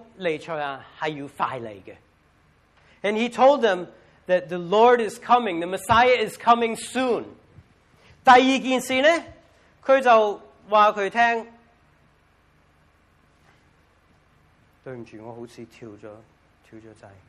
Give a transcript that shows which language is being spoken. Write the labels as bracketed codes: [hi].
[yue] 第一呢，佢就系话佢听咧，基督弥赛亚系要快嚟嘅。And [en] he told them that the Lord is coming, the Messiah is coming soon. [yue] 第二件事呢，佢就话佢听。对唔住，我好似跳咗掣。